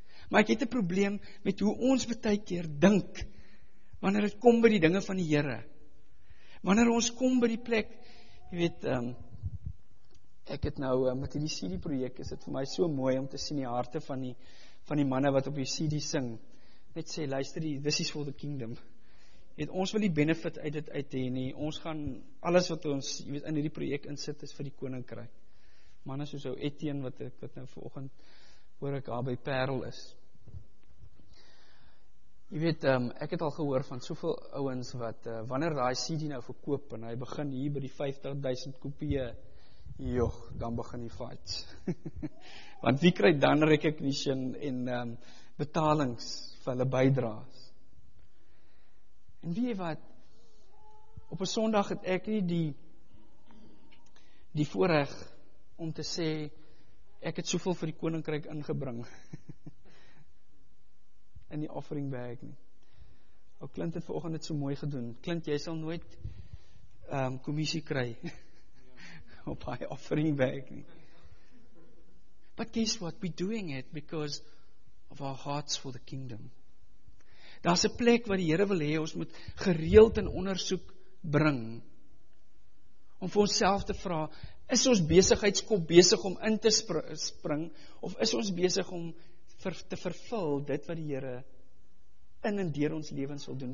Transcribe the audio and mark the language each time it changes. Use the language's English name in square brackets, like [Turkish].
[Afrikaans] Maar ek het 'n probleem met hoe ons baie keer dink, wanneer dit kom by die dinge van die Here. Wanneer ons kom by die plek, jy weet, ek het nou, met die CD-projek is dit vir my so mooi om te sien die harte van die manne wat op die CD sing. Net sê, luister die, [English] this is for the kingdom. [Afrikaans] Het ons wil die benefit uit dit uit heen, nie. Ons gaan, alles wat ons, jy weet, in die projek insit is vir die koninkryk. Manne soos ou Etienne, wat nou vanoggend hoor ek daar by Parel is. Jy weet, ek het al gehoor van soveel ouens wat, wanneer daai CD nou verkoop, en hy begin hier by die 50.000 kopieë, joh, dan begin die fight. Want wie kry dan recognition en betalings vir hulle bydraes? En weet jy wat, op 'n Sondag het ek nie die voorreg om te sê, ek het soveel vir die koninkryk ingebring in die offering bag nie. O, Clint het vanoggend het so mooi gedoen. Clint, jy sal nooit kommissie kry op hy offering bag nie. [English] But guess what, we're doing it because of our hearts for the kingdom. [Afrikaans] Daar's 'n plek wat die Here wil hê ons moet gereeld in ondersoek bring. om vir onsself te vra, is ons besigheidskop besig om in te spring, of is ons besig om te vervul dit wat die Here in en deur ons lewens wil doen?